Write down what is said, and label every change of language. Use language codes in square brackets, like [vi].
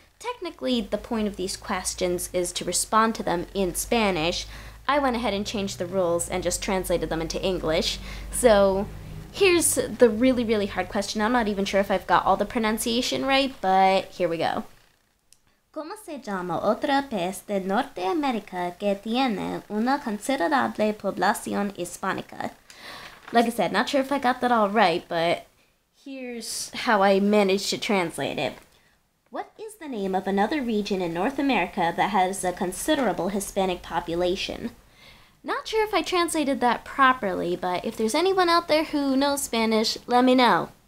[en] Technically, the point of these questions is to respond to them in Spanish. I went ahead and changed the rules and just translated them into English. So here's the really, really hard question. I'm not even sure if I've got all the pronunciation right, but here we go. [es] ¿Cómo se llama otra pez de Norte América que tiene una considerable población hispánica? [en] Like I said, not sure if I got that all right, but here's how I managed to translate it. What is the name of another region in North America that has a considerable Hispanic population? Not sure if I translated that properly, but if there's anyone out there who knows Spanish, let me know.